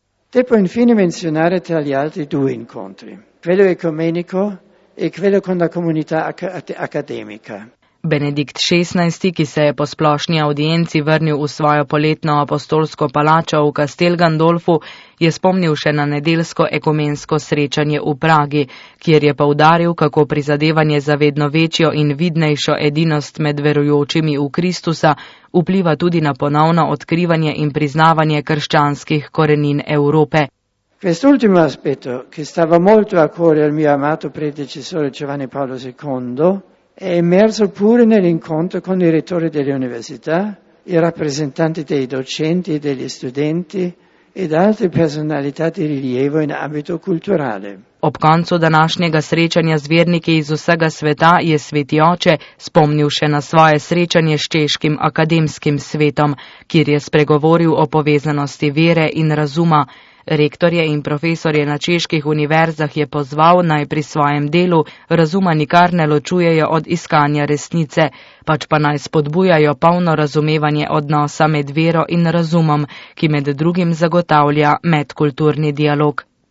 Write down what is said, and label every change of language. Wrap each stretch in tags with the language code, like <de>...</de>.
<it>Te po infine menzionare tra gli altri due incontri, quello ecumenico e quello con la comunità accademica.</it> <sl>Benedikt XVI, ki se je po splošni audienci vrnil v svojo poletno apostolsko palačo v Castel Gandolfu, je spomnil še na nedeljsko ekumensko srečanje v Pragi, kjer je poudaril, kako prizadevanje za vedno večjo in vidnejšo edinost med verujočimi v Kristusa vpliva tudi na ponovno odkrivanje in priznavanje krščanskih korenin Evrope.</sl> <it>Quest'ultimo aspetto, che stava molto a cuore al mio amato predecessore Giovanni Paolo II, è emerso pure nell'incontro con il rettore delle università, i rappresentanti dei docenti e degli studenti ed altre personalità di rilievo in ambito culturale.</it> <sl>Ob koncu današnjega srečanja z verniki iz vsega sveta je Sveti Oče spomnil še na svoje srečanje s češkim akademskim svetom, kjer je spregovoril o povezanosti vere in razuma. Rektorje in profesorje na čeških univerzah je pozval, naj pri svojem delu razuma nikar ne ločujejo od iskanja resnice, pač pa naj spodbujajo polno razumevanje odnosa med vero in razumom, ki med drugim zagotavlja medkulturni dialog.</sl>